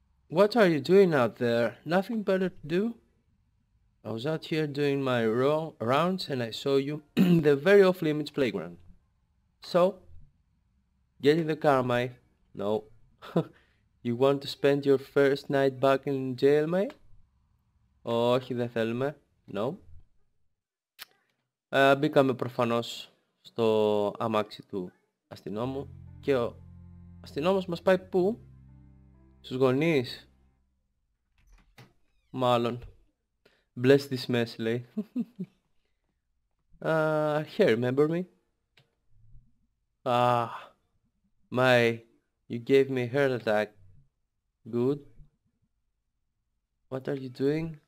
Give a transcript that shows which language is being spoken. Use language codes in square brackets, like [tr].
[en] What are you doing out there? Nothing better to do? I was out here doing my rounds and I saw you in the very off-limits playground. So? Get in the car, May. No. You want to spend your first night back in jail, May? [el] Όχι, δεν θέλουμε. No. Μπήκαμε προφανώς στο αμάξι του αστυνόμου και ο αστυνόμος μας πάει πού? Στους γονείς. Μάλλον. [en] Bless this mess, λέει. Here, remember me? My, you gave me a heart attack. Good. What are you doing?